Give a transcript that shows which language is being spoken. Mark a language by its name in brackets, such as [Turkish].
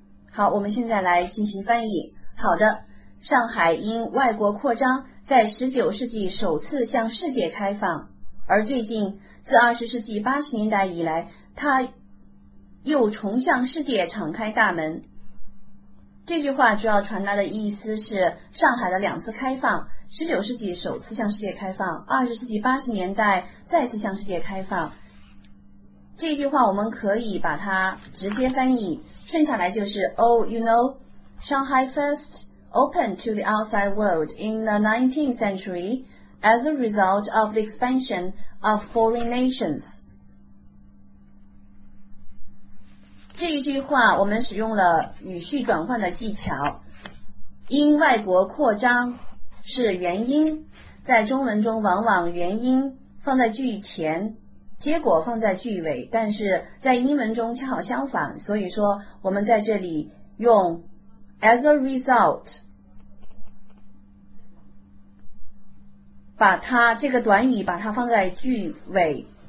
[Chinese] 好，我们现在来进行翻译。好的，上海因外国扩张，在19世纪首次向世界开放，而最近自20世纪80年代以来，它又重向世界敞开大门。这句话主要传达的意思是，上海的两次开放，19世纪首次向世界开放，20世纪80年代再次向世界开放。这句话我们可以把它直接翻译，顺下来就是 [English] Oh, you know, Shanghai first opened to the outside world in the 19th century as a result of the expansion of foreign nations. [Chinese] 这一句话我们使用了语序转换的技巧，因外国扩张是原因，在中文中往往原因放在句前，结果放在句尾，但是在英文中恰好相反，所以说我们在这里用 [English] as a result [Chinese] 把它这个短语把它放在句尾。